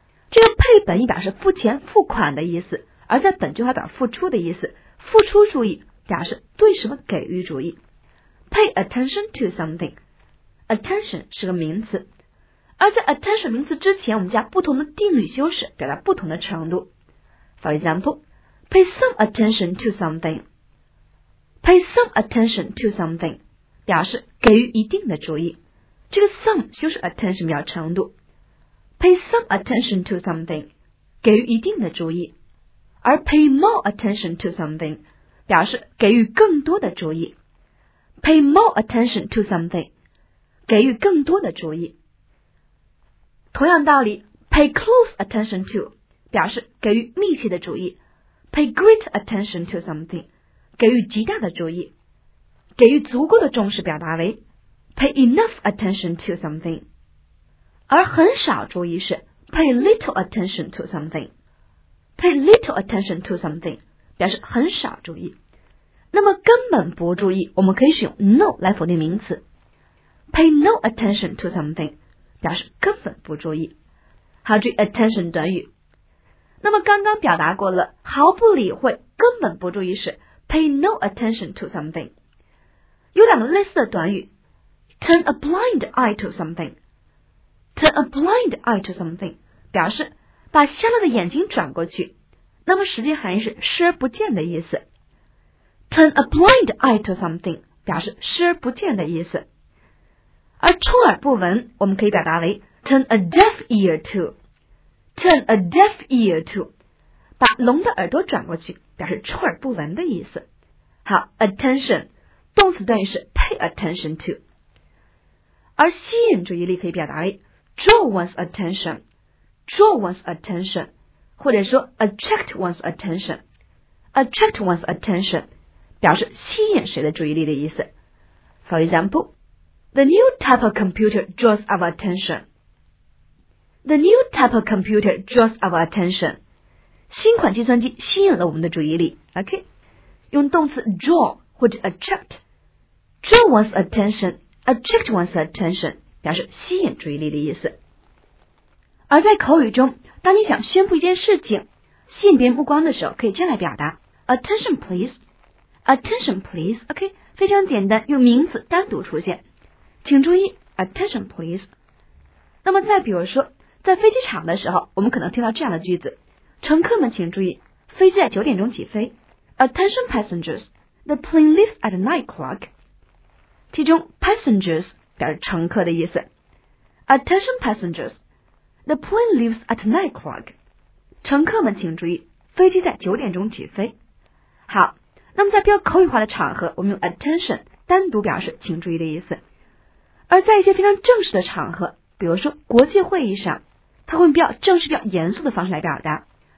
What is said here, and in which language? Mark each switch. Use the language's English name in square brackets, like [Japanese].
[Chinese] 这个 pay 本意表示付钱、付款的意思，而在本句话表付出的意思，付出注意表示对什么给予注意。 [English] Pay attention to something。 [Chinese] Attention 是个名词，而在 attention 名词之前，我们加不同的定语修饰，表达不同的程度。 [English] For example, pay some attention to something. Pay some attention to something [Chinese] 表示给予一定的注意。这个 some 修饰 attention 表达程度。 [English] Pay some attention to something [Chinese] 给予一定的注意，而 [English] pay more attention to something [Chinese] 表示给予更多的注意。 [English] Pay more attention to something. [Chinese] 给予更多的注意。同样道理 , [English] pay close attention to, [Chinese] 表示给予密切的注意。 [English] pay great attention to something, [Chinese] 给予极大的注意。给予足够的重视表达为 , [English] pay enough attention to something。 [Chinese] 而很少注意是 [English] ,pay little attention to something。 pay little attention to something, [Chinese] 表示很少注意。那么根本不注意我们可以使用 no 来否定名词。 [English] Pay no attention to something [Chinese] 表示根本不注意。好，注意 attention 短语。那么刚刚表达过了毫不理会根本不注意是 [English] Pay no attention to something。 [Chinese] 有两个类似的短语 [English] Turn a blind eye to something。 Turn a blind eye to something [Chinese] 表示把瞎了的眼睛转过去，那么实际含义是视而不见的意思。 [English] Turn a blind eye to something [Chinese] 表示视而不见的意思。而充耳不闻我们可以表达为 [English] turn a deaf ear to, [Chinese] turn a deaf ear to, 把聋的耳朵转过去表示充耳不闻的意思。好 attention, 动词短语是 [English] pay attention to, [Chinese] 而吸引注意力可以表达为 [English] draw one's attention, [Chinese] 或者说 [English] attract one's attention, [Chinese] 表示吸引谁的注意力的意思。 [English] For example,The new type of computer draws our attention. The new type of computer draws our attention. [Chinese] 新款计算机吸引了我们的注意力。 OK, 用动词 draw 或者 attract. [English] Draw one's attention, attract one's attention, [Chinese] 表示吸引注意力的意思。而在口语中，当你想宣布一件事情，吸引别人目光的时候，可以这样来表达 [English] Attention please, attention please. [Chinese] OK, 非常简单，用名词单独出现。请注意 [English] attention please。 [Chinese] 那么再比如说在飞机场的时候，我们可能听到这样的句子，乘客们请注意飞机在九点钟起飞。 [English] Attention passengers, the plane leaves at 9 o'clock. [Chinese] 其中 passengers 表示乘客的意思。 [English] Attention passengers, the plane leaves at 9 o'clock. [Chinese] 乘客们请注意飞机在九点钟起飞。好，那么在比较口语化的场合，我们用 attention 单独表示请注意的意思。而在一些非常正式的场合，比如说国际会议上，它会用比较正式、比较严肃的方式来表达。